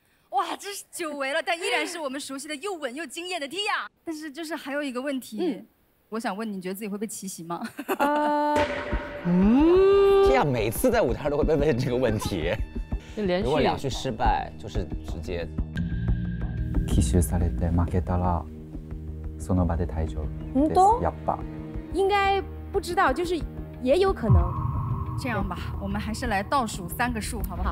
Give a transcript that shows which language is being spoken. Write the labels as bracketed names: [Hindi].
[Chinese] 哇，这是久违了，但依然是我们熟悉的又稳又惊艳的 Tia。但是就是还有一个问题，我想问你，你觉得自己会被奇袭吗？这样每次在舞台上都会被问这个问题。连续如果两句失败，就是直接。 [Japanese] 奇襲されて負けたらその場で退場です。本当？やっぱ。 [Chinese] 应该不知道，就是也有可能。这样吧，我们还是来倒数三个数，好不好？